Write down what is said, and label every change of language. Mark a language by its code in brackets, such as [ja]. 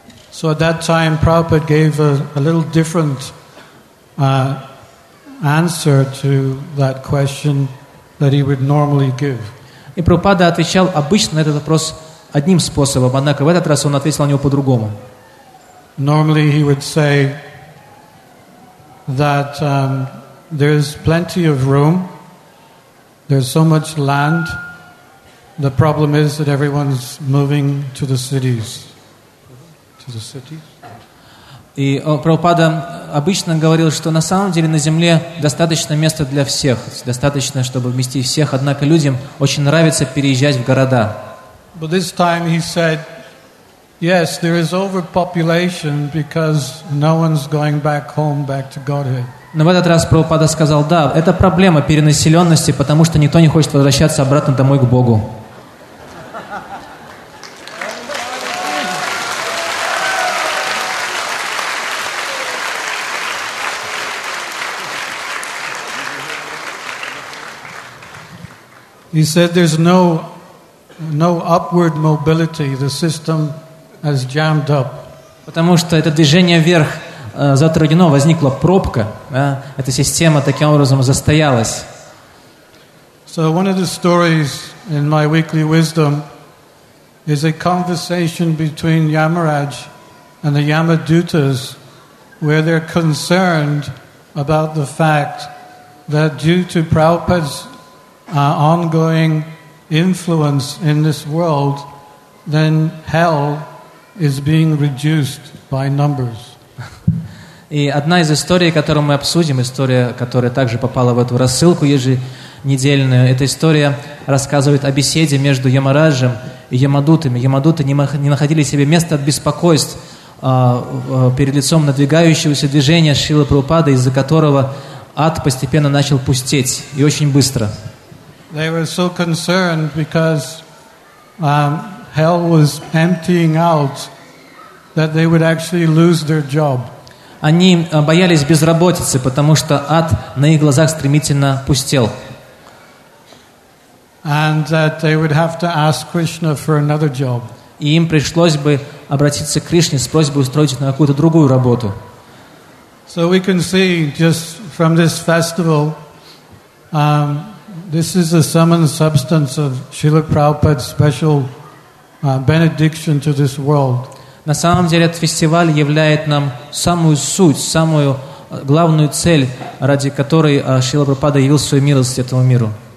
[en] So at that time, Prabhupada gave a little different answer to that question that he would normally give. [ru] И Прабхупада отвечал обычно на этот вопрос одним способом, однако в этот раз он ответил на него по-другому. [en] Normally he would say that there's plenty of room, there's so much land, the problem is that everyone's moving to the cities. [ru] И Прабхупада обычно говорил, что на самом деле на земле достаточно места для всех, достаточно, чтобы вместить всех, однако людям очень нравится переезжать в города. [en] But this time he said, yes, there is overpopulation because no one's going back home, back to Godhead. [ru] Но в этот раз Прабхупада сказал, да, это проблема перенаселенности, потому что никто не хочет возвращаться обратно домой к Богу. [en] He said there's no upward mobility, the system has jammed up. [ru] Потому что это движение вверх затруднено, возникла пробка, да? Эта система таким образом застоялась. [en] So one of the stories in my weekly wisdom is a conversation between Yamaraj and the Yamadutas where they're concerned about the fact that due to Prabhupada's ongoing influence in this world, then hell is being reduced by numbers. [ru] И одна из историй, которую мы обсудим, история, которая также попала в эту рассылку еженедельную, эта история рассказывает о беседе между Ямараджем и Ямадутами. Ямадуты не находили себе места от беспокойств перед лицом надвигающегося движения Шрилы Прабхупады, из-за которого ад постепенно начал пустеть, и очень быстро. [en] They were so concerned because hell was emptying out that they would actually lose their job. [ru] Они боялись безработицы, потому что ад на их глазах стремительно пустел. [en] And that they would have to ask Krishna for another job. [ru] И им пришлось бы обратиться к Кришне с просьбой устроить на какую-то другую работу. [en] So we can see just from this festival this is the sum and substance of Srila Prabhupada's special benediction to this world. [ru] На самом деле, этот фестиваль являет нам самую суть, самую главную цель, ради которой Шрила Прабхупада явил свою милость этому миру.